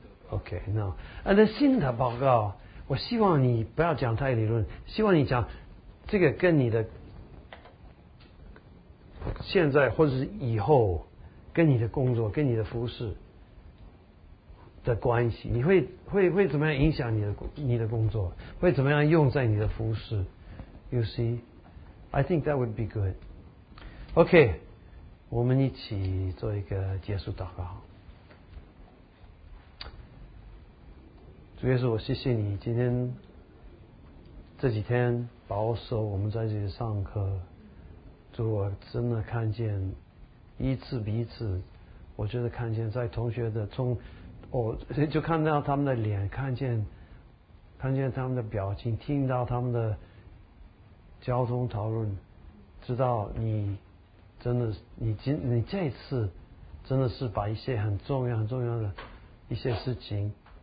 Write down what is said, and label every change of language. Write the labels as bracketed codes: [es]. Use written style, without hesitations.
[zh] OK no 啊，那新的报告我希望你不要讲太理论，希望你讲这个跟你的现在或者是以后跟你的工作跟你的服事的关系，你会怎么样影响你的工作，会怎么样用在你的服事。 [en] You see, I think that would be good. [zh] OK, 我们一起做一个结束祷告。主耶稣，我谢谢你今天这几天保守我们在这里上课，主，我真的看见一次比一次，我觉得看见在同学的从我、哦、就看到他们的脸，看见他们的表情，听到他们的交通讨论，知道你真的你这一次真的是把一些很重要的一些事情